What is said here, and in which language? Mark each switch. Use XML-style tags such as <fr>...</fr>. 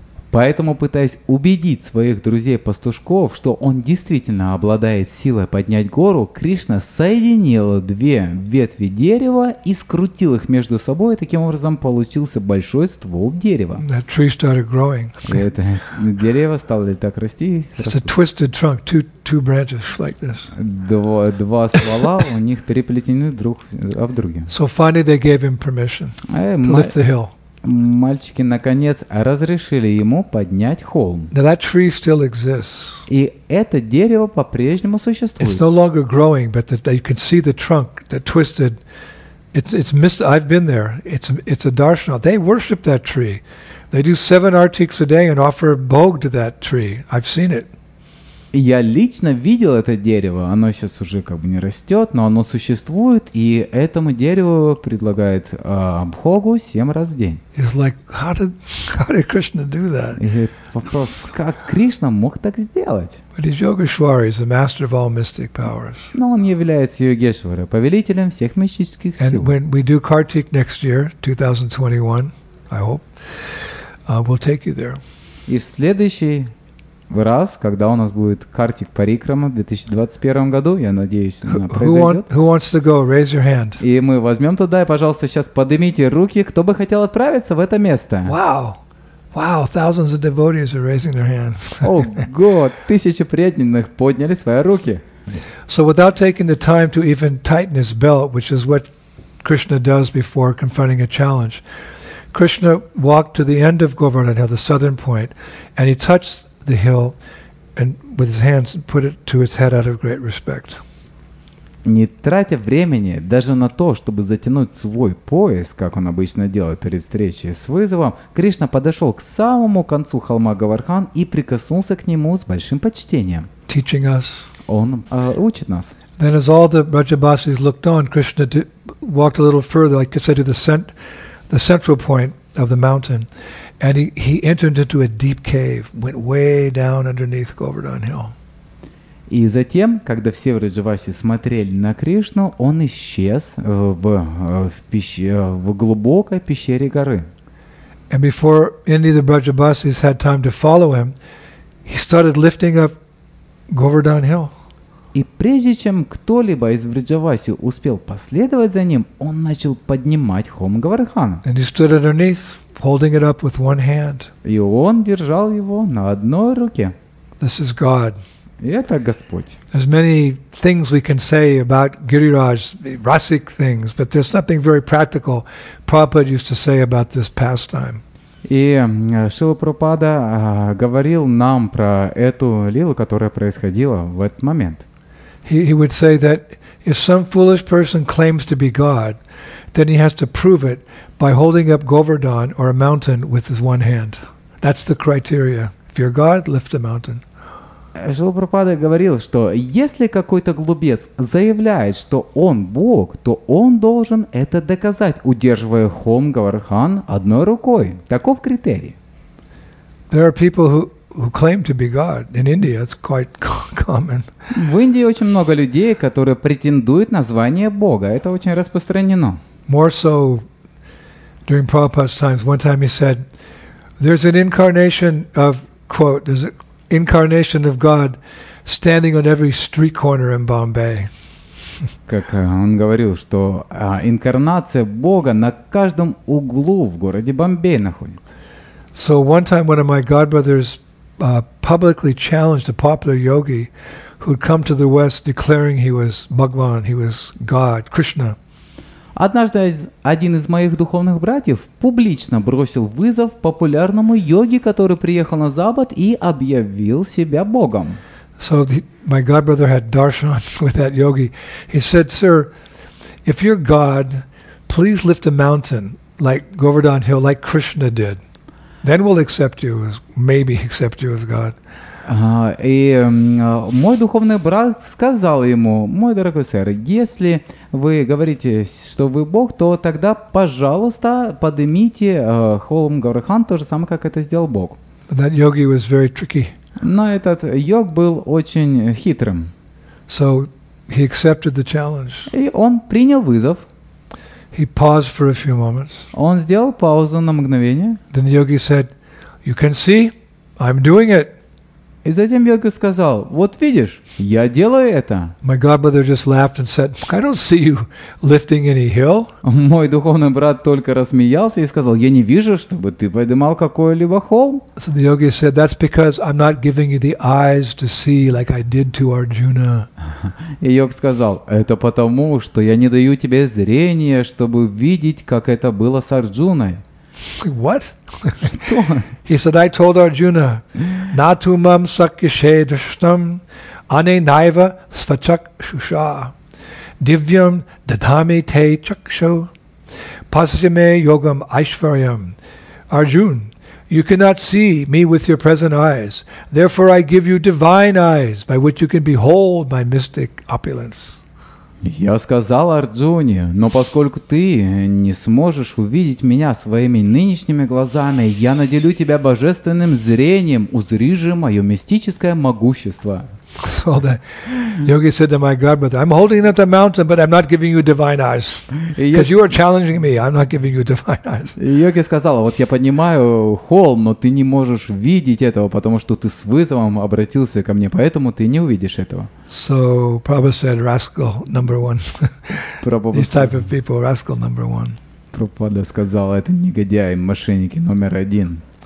<ru>Поэтому, пытаясь убедить своих друзей-пастушков, что он действительно обладает силой поднять гору, Кришна соединил две ветви дерева и скрутил их между собой, и таким образом получился большой ствол дерева.</ru> <en>That tree started growing.</en> <ru>Это дерево стало так расти.</ru> <en>It's a twisted trunk, two branches like this.</en> <ru>Два ствола у них переплетены друг об друге.</ru> <en>So finally they gave him permission to lift the hill.</en> <ru>Мальчики, наконец, разрешили ему поднять холм.</ru> <en>Now that tree still exists.</en> <ru>И это дерево по-прежнему существует.</ru> <en>It's no longer growing, but that you can see the trunk that twisted. I've been there. It's a darshana. They worship that tree. They do 7 artiks a day and offer bhog to that tree. I've seen it.</en> <ru>Я лично видел это дерево, оно сейчас уже как бы не растет, но оно существует, и этому дереву предлагают бхогу 7 раз в день.</ru> <en>It's like, how did Krishna do that?</en> <ru>И вопрос, как Кришна мог так сделать?</ru> <en>But he's Yogeshwara, he's the master of all mystic powers.</en> <ru>Но он является Йогешвара, повелителем всех мистических сил.</ru> <en>And when we do Kartik next year, 2021, I hope, we'll take you there.</en> <ru>И в следующий раз, когда у нас будет Картик Парикрама в 2021 году, я надеюсь, она произойдет.</ru> <en>Who wants to go? Raise your hand.</en> <ru>И мы возьмем туда, и, пожалуйста, сейчас поднимите руки, кто бы хотел отправиться в это место.</ru> <en>Wow! Wow! Thousands of devotees are raising their hands.</en> <ru>Ого! Тысячи преданных подняли свои руки.</ru> <en>So without taking the time to even tighten his belt, which is what Krishna does before confronting a challenge, Krishna walked to the end of Govardhan Hill, the southern point, and he touched the hill and with his hands put it to its head out of great respect.</en> <ru>Не тратя времени даже на то, чтобы затянуть свой пояс, как он обычно делает перед встречей с вызовом, Кришна подошел к самому концу холма Говардхан и прикоснулся к нему с большим почтением.</ru> <en>Teaching us.</en> <ru>Он учит нас.</ru> <en>Then as all the Brajabasis looked on, Krishna walked a little further, like I said, to the central point of the mountain. And he entered into a deep cave, went way down underneath Govardhan Hill.</en> <ru>И затем, когда все Вриджаваси смотрели на Кришну, он исчез в глубокой пещере горы.</ru> <en>And before any of the Brajabasis had time to follow him, he started lifting up Govardhan Hill.</en> <ru>И прежде чем кто-либо из Вриджаваси успел последовать за ним, он начал поднимать холм Говардхана.</ru> <en>And he stood underneath, holding it up with one hand.</en> <ru>И он держал его на одной руке.</ru> <en>This is God.</en> <ru>И это Господь.</ru> <en>There's many things we can say about Giriraj, rasic things, but there's nothing very practical Prabhupada used to say about this pastime.</en> <ru>И Шрила Прабхупада говорил нам про эту лилу, которая происходила в этот момент.</ru> <en>he would say that if some foolish person claims to be God, then he has to prove it by holding up Govardhan or a mountain with his one hand. That's the criteria. If you're God, lift the mountain.</en> <ru>Шрила Прабхупада говорил, что если какой-то глупец заявляет, что он Бог, то он должен это доказать, удерживая Хом Говардхан одной рукой. Таков критерий.</ru> <en>There are people who claim to be God. In India, it's quite common.</en> <ru>В Индии очень много людей, которые претендуют на звание Бога. Это очень распространено.</ru> <en>More so during Prabhupada's times. One time he said, there's an incarnation of, quote, there's an incarnation of God standing on every street corner in Bombay.</en> <ru>Как он говорил, что инкарнация Бога на каждом углу в городе Бомбей находится.</ru> <en>So one time one of my godbrothers publicly challenged a popular yogi who'd come to the West declaring he was Bhagavan, he was God, Krishna.</en> <ru>Однажды один из моих духовных братьев публично бросил вызов популярному йоге, который приехал на Запад и объявил себя Богом.</ru> <en>So my godbrother had darshan with that yogi. He said, sir, if you're God, please lift a mountain like Govardhan Hill, like Krishna did. Then we'll accept you as, maybe accept you as God.</en> <ru>Мой духовный брат сказал ему, мой дорогой сэр, если вы говорите, что вы Бог, то тогда, пожалуйста, поднимите холм Говардхан, то же самое, как это сделал Бог.</ru> <en>That yogi was very tricky.</en> <ru>Но этот йог был очень хитрым.</ru> <en>So he accepted the challenge.</en> <ru>И он принял вызов.</ru> <en>He paused for a few moments.</en> <ru>Он сделал паузу на мгновение.</ru> <en>Then the yogi said, "You can see, I'm doing it."</en> <ru>И затем йоги сказал, "Вот видишь, я делаю это."</ru> <en>My godbrother just laughed and said, "I don't see you lifting any hill."</en> <ru>Мой духовный брат только рассмеялся и сказал, "Я не вижу, чтобы ты поднимал какой-либо холм."</ru> <en>So the yogi said, "That's because I'm not giving you the eyes to see like I did to Arjuna."</en> <ru>И йог сказал, "Это потому, что я не даю тебе зрения, чтобы видеть, как это было с Арджуной."</ru> <en>What? He said, "I told Arjuna,</en> <sa>Natumam sakyashe drishtam, ane naiva svachak shusha, divyam dadhami te chaksho, pasyame yogam aishvaryam.</sa> <en>Arjuna, you cannot see me with your present eyes. Therefore, I give you divine eyes by which you can behold my mystic opulence."</en> <ru>Я сказал Арджуне, но поскольку ты не сможешь увидеть меня своими нынешними глазами, я наделю тебя божественным зрением, узри же мое мистическое могущество.</ru> <en>Yogi said to my godbrother, "I'm holding up the mountain, but I'm not giving you divine eyes, because you are challenging me. I'm not giving you divine eyes."</en> <ru>Йоги сказал, вот я поднимаю холм, но ты не можешь видеть этого, потому что ты с вызовом обратился ко мне, поэтому ты не увидишь этого.</ru> <en>So Prabhupada said, "Rascal number one." These type of people, rascal number one.</en> <ru>Прабхупада сказал, это негодяи, мошенники номер один.</ru>